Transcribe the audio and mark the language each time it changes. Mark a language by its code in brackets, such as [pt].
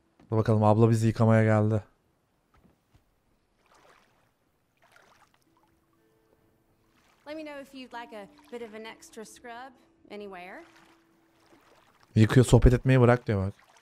[tr] Dur bakalım, abla bizi yıkamaya geldi. [en] Let me know if you'd like a bit of an extra scrub anywhere. [tr] Yıkıyor, sohbet etmeyi bırak diyor bak.